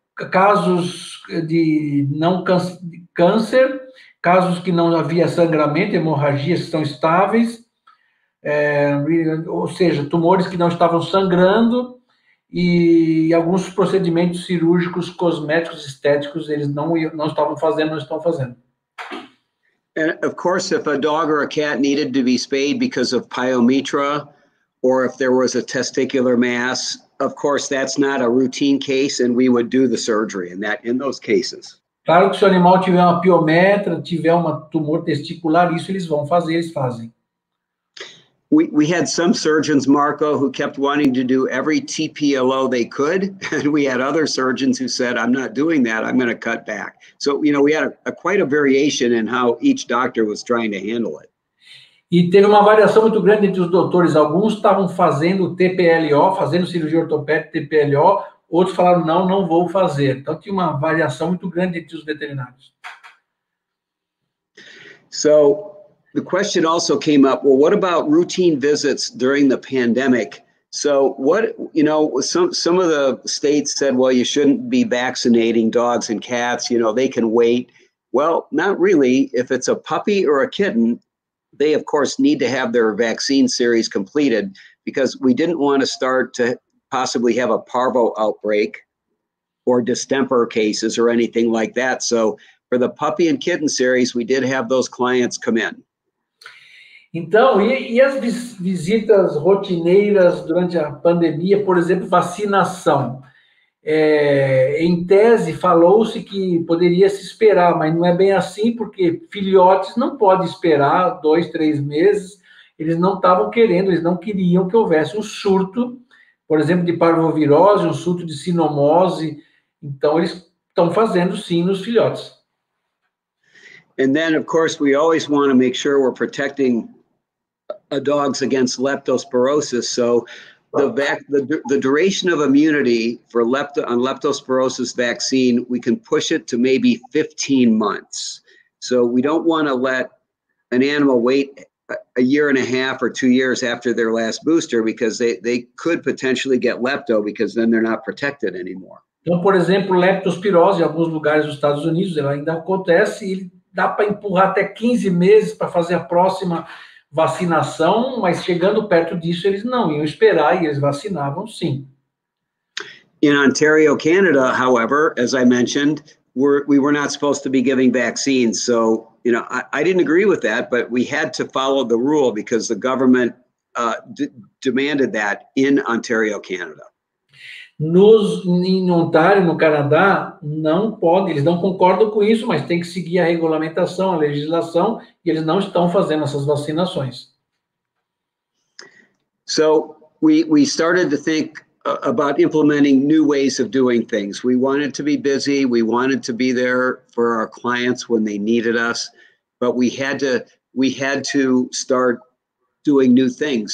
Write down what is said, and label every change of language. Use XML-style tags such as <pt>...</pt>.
<pt>Casos de não câncer, casos que não havia sangramento, hemorragias que estão estáveis, ou seja, tumores que não estavam sangrando, e alguns procedimentos cirúrgicos, cosméticos, estéticos, eles não estavam fazendo, não estão fazendo.</pt> <en>And of course, if a dog or a cat needed to be spayed because of pyometra, or if there was a testicular mass, of course, that's not a routine case, and we would do the surgery in those cases.</en> <pt>Claro que se o animal tiver uma piometra, tiver um tumor testicular, isso eles vão fazer, eles fazem.</pt> <en>We had some surgeons, Marco, who kept wanting to do every TPLO they could, and we had other surgeons who said, I'm not doing that, I'm going to cut back. So, you know, we had quite a variation in how each doctor was trying to handle it.</en> <pt>E teve uma variação muito grande entre os doutores. Alguns estavam fazendo TPLO, fazendo cirurgia ortopédica TPLO, outros falaram, não, não vou fazer. Então, tinha uma variação muito grande entre os veterinários.</pt> <en>So, the question also came up, well, what about routine visits during the pandemic? So, what, you know, some of the states said, well, you shouldn't be vaccinating dogs and cats, you know, they can wait. Well, not really. If it's a puppy or a kitten, they, of course, need to have their vaccine series completed because we didn't want to start to possibly have a parvo outbreak or distemper cases or anything like that. So For the puppy and kitten series, we did have those clients come in.</en> <pt>Então, e as visitas rotineiras durante a pandemia, por exemplo, vacinação? É, em tese, falou-se que poderia se esperar, mas não é bem assim, porque filhotes não podem esperar 2-3 meses. Eles não estavam querendo, eles não queriam que houvesse um surto, por exemplo, de parvovirose, um surto de cinomose. Então, eles estão fazendo sim nos filhotes.</pt> <en>And then, of course, we always want to make sure we're protecting a dogs against leptospirosis. So the duration of immunity for leptospirosis vaccine, we can push it to maybe 15 months. So we don't want to let an animal wait a year and a half or 2 years after their last booster, because they could potentially get lepto, because then they're not protected anymore.</en> <pt>Então, por exemplo, leptospirose, em alguns lugares dos Estados Unidos, ela ainda acontece e dá para empurrar até 15 meses para fazer a próxima vacinação, mas chegando perto disso, eles não iam esperar e eles vacinavam, sim.</pt> <en>In Ontario, Canada, however, as I mentioned, we were not supposed to be giving vaccines, so... You know, I didn't agree with that, but we had to follow the rule because the government demanded that in Ontario, Canada.</en> <pt>Em Ontário, no Canadá, não pode, eles não concordam com isso, mas tem que seguir a regulamentação, a legislação, e eles não estão fazendo essas vacinações.</pt> <en>So we started to think about implementing new ways of doing things. We wanted to be busy, we wanted to be there for our clients when they needed us. But we had to start doing new things.</en>